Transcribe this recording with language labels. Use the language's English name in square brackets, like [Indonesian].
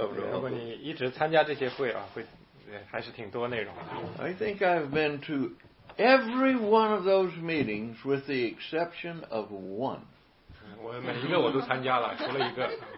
[Chinese] 如果你一直参加这些会啊，会还是挺多内容的。 [English] I think I've been to every one of those meetings with the exception of one. [Chinese] 我每一个我都参加了，除了一个